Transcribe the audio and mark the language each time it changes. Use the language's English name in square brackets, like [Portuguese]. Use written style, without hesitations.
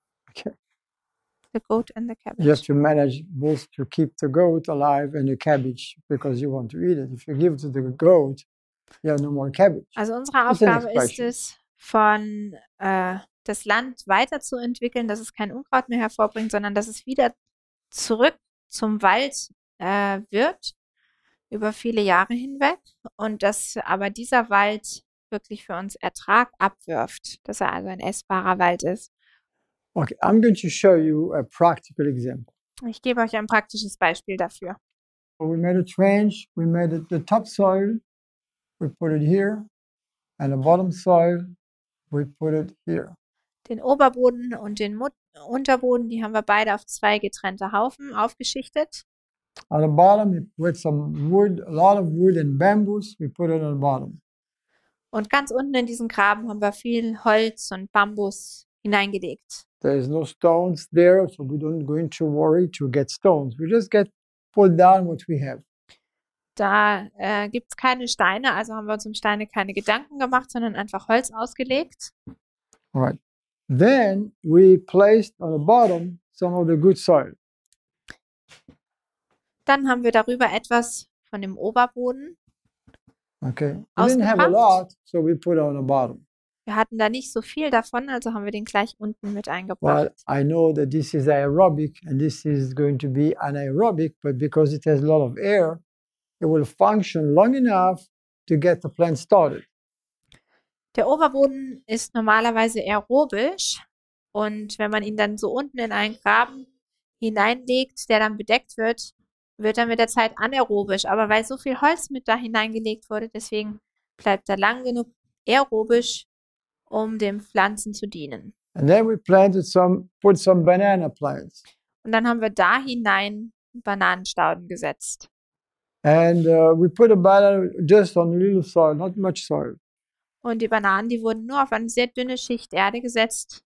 [English] Okay. The goat and the cabbage. You have to manage both to keep the goat alive and the cabbage because you want to eat it. If you give it to the goat, you have no more cabbage. [German] Also unsere Aufgabe ist es, von das Land weiterzuentwickeln, dass es kein Unkraut mehr hervorbringt, sondern dass es wieder zurück zum Wald wird über viele Jahre hinweg und dass aber dieser Wald wirklich für uns Ertrag abwirft, dass er also ein essbarer Wald ist. [English] Okay, I'm going to show you a practical example. [German] Ich gebe euch ein praktisches Beispiel dafür. [English] We made a trench, we made the topsoil, we put it here, and the bottom soil, we put it here. [German] Den Oberboden und den Unterboden, die haben wir beide auf zwei getrennte Haufen aufgeschichtet. [English] On the bottom, we put some wood, a lot of wood and bamboos, we put it on the bottom. [German] Und ganz unten in diesen Graben haben wir viel Holz und Bambus hineingelegt. [English] There is no stones there, so we don't going to worry to get stones. We just get put down what we have. [German] Da gibt es keine Steine, also haben wir uns um Steine keine Gedanken gemacht, sondern einfach Holz ausgelegt. [English] Right. Then we placed on the bottom some of the good soil. [German] Dann haben wir darüber etwas von dem Oberboden. [English] Okay. We didn't have a lot, so we put it on the bottom. [German] Wir hatten da nicht so viel davon, also haben wir den gleich unten mit eingebracht. [English] Well, I know that this is aerobic and this is going to be anaerobic, but because it has a lot of air, it will function long enough to get the plant started. [German] Der Oberboden ist normalerweise aerobisch und wenn man ihn dann so unten in einen Graben hineinlegt, der dann bedeckt wird, wird er mit der Zeit anaerobisch. Aber weil so viel Holz mit da hineingelegt wurde, deswegen bleibt er lang genug aerobisch, um den Pflanzen zu dienen. [English] And then we planted put some banana plants. [German] Und dann haben wir da hinein Bananenstauden gesetzt. [English] And we put a banana just on a little soil, not much soil. [German] Und die Bananen, die wurden nur auf eine sehr dünne Schicht Erde gesetzt.